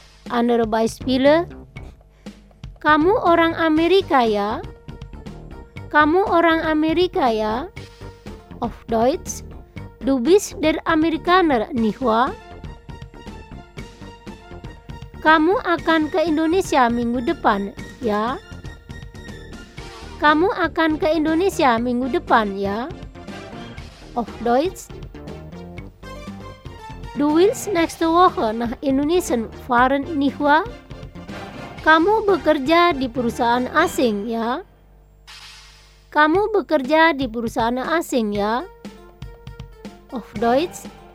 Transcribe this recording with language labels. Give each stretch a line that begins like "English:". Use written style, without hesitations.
German: Andere Beispiele.
Indonesian: Kamu orang Amerika ya? Kamu orang Amerika ya?
German: Auf Deutsch. Du bist der Amerikaner, nicht wahr?
Indonesian: Kamu akan ke Indonesia minggu depan, ya? Kamu akan ke Indonesia minggu depan, ya?
German: Auf Deutsch. Du willst nächste Woche nach Indonesien fahren, nicht wahr?
Indonesian: Kamu bekerja di perusahaan asing, ya? Kamu bekerja di perusahaan asing, ya?
German: Auf Deutsch.